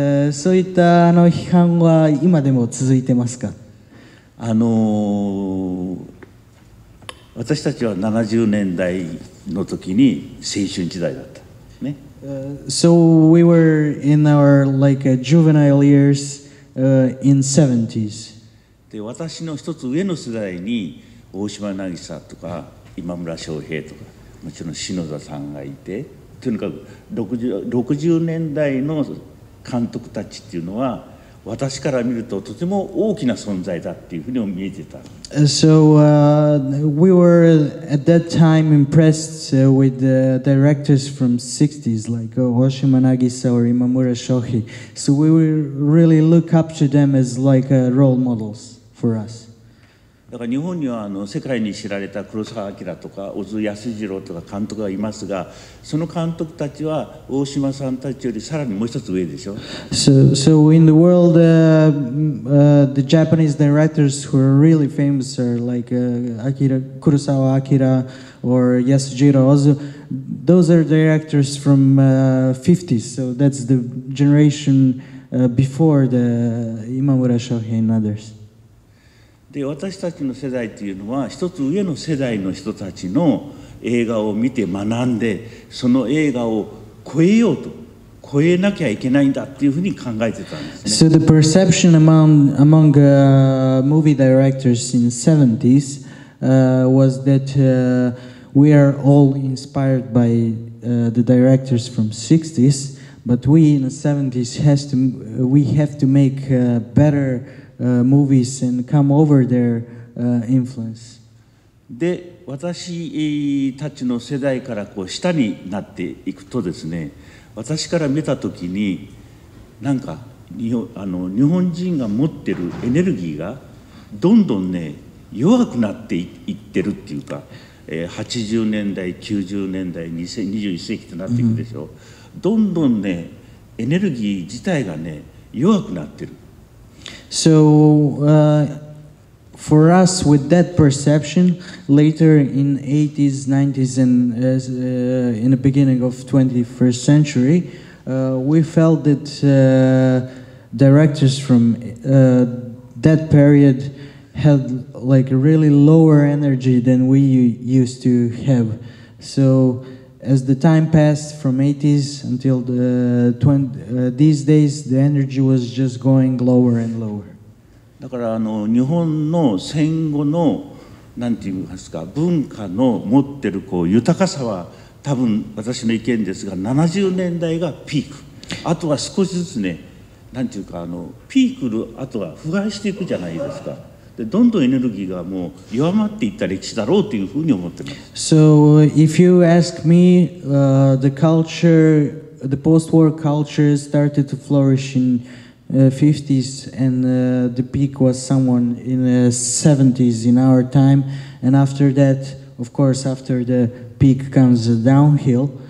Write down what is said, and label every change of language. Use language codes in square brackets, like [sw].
[ja] そういったあの批判は今でも続いてますか？私たちは70年代の時に青春時代だったね。 [en] So we were in our like juvenile years in 70s. [ja] で私の一つ上の世代に大島渚とか今村翔平とかもちろん篠田さんがいて、とにかく60年代の監督たちっていうのは私から見るととても大きな存在だっていうふうに見えてた。 [en] So, we were at that time impressed with the directors from 60s like Oshima Nagisa or Imamura Shohei. So we were really look up to them as like role models for us. [ja] だから日本には世界に知られた黒澤明とか小津安二郎とか監督がいますが、その監督たちは大島さんたちよりさらにもう一つ上でしょ。 [en] So in the world, the Japanese directors who are really famous are like Akira, Kurosawa Akira or Yasujiro Ozu. Those are directors from 50s, so that's the generation before the Imamura Shohei and others. [ja] で私たちの世代というのは一つ上の世代の人たちの映画を見て学んで、その映画を超えようと、超えなきゃいけないんだっていうふうに考えてたんですね。 [en] So the perception among movie directors in 70s was that we are all inspired by the directors from 60s, but we in the 70s have to make better movies and come over their influence. [ja] で、私たちの世代からこう下になっていくとですね、私から見たときに、なんか日本人が持ってるエネルギーがどんどんね弱くなっていってるっていうか、80年代、90年代、2021世紀となっていくでしょ。 Mm-hmm. どんどんねエネルギー自体がね弱くなってる。 [en] So, for us, with that perception, later in 80s, 90s, and in the beginning of 21st century, we felt that directors from that period had like really lower energy than we used to have. So, as the time passed from 80s until these days, the energy was just going lower and lower. [ja] だから日本の戦後の何て言いますか、文化の持ってるこう豊かさは多分私の意見ですが、70年代がピーク、あとは少しずつね何て言うかピークのあとは腐敗していくじゃないですか。でどんどんエネルギーがもう弱まっていった歴史だろうというふうに思ってます。 [en] So if you ask me, the culture, the post-war culture started to flourish in50s, and the peak was someone in the 70s in our time, and after that, of course, after the peak comes a downhill.